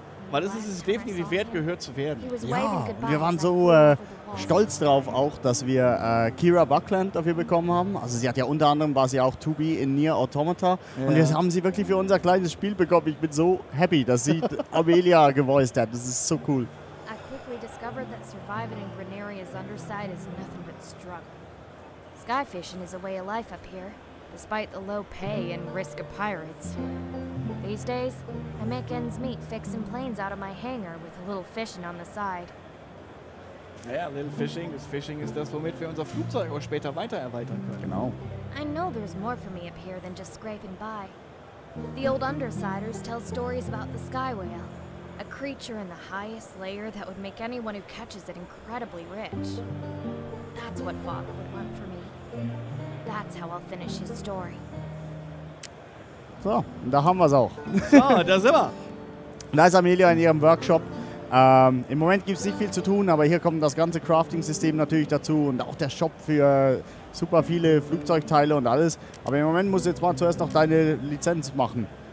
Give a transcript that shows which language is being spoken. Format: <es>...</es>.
<de>Weil es ist es definitiv wert, gehört zu werden. Ja, wir waren so stolz drauf auch, dass wir Kira Buckland dafür bekommen haben. Also sie hat ja unter anderem, war sie auch 2B in Nier Automata. Ja. Und jetzt haben sie wirklich für unser kleines Spiel bekommen. Ich bin so happy, dass sie Amelia gevoiced hat. Das ist so cool.</de> <en>I quickly discovered that surviving in Granaria's underside is nothing but struggle. Skyfishing is a way of life up here, despite the low pay and risk of pirates. These days, I make ends meet fixing planes out of my hangar with a little fishing on the side. Yeah, a little fishing. This fishing is</en> <de>das, womit wir unser Flugzeug auch später weiter erweitern können. Genau.</de> <en>I know there's more for me up here than just scraping by. The old undersiders tell stories about the sky whale, a creature in the highest layer that would make anyone who catches it incredibly rich. That's what Father would want for me. That's how I'll finish his story.</en> <de>So, da haben wir es auch. So, da sind wir. Da ist Amelia in ihrem Workshop Im Moment gibt es nicht viel zu tun, aber hier kommt das ganze Crafting-System natürlich dazu und auch der Shop für super viele Flugzeugteile und alles. Aber im Moment musst du jetzt mal zuerst noch deine Lizenz machen.</de>